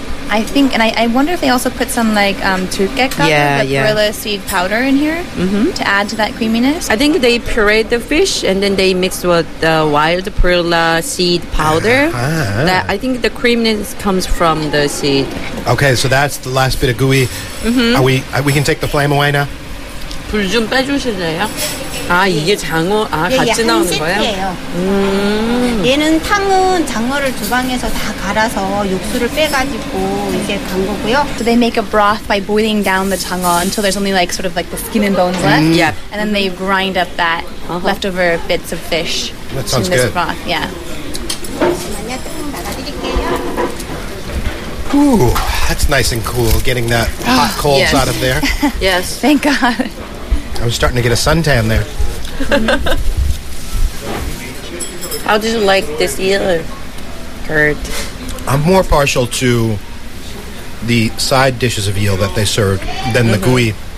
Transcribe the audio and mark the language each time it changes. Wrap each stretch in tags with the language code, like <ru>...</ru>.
<en>I think, and I wonder if they also put some, like, turkgekgal, gorilla seed powder in here to add to that creaminess. I think they pureed the fish, and then they mixed with the wild gorilla seed powder. I think the creaminess comes from the seed. Okay, so that's the last bit of gooey. We can take the flame away now?</en> <ko>불 좀 빼주실래요? 아, 이게 장어, 아, 같이 나오는 거야? 얘는 탕은 장어를 주방에서 다 갈아서 육수를 빼가지고 이게 간 거고요.</ko> <en>So they make a broth by boiling down the 장어 until there's only like sort of like the skin and bones left. And then they grind up that leftover bits of fish. That sounds good. In this broth, yeah.</en> <ko>잠시만요, 뜨거운 나가드릴게요.</ko> <en>Ooh, that's nice and cool, getting that hot coals out of there. Yes. Thank God. I was starting to get a suntan there. How did you like this eel, Kurt? I'm more partial to the side dishes of eel that they served than the gooey.</en>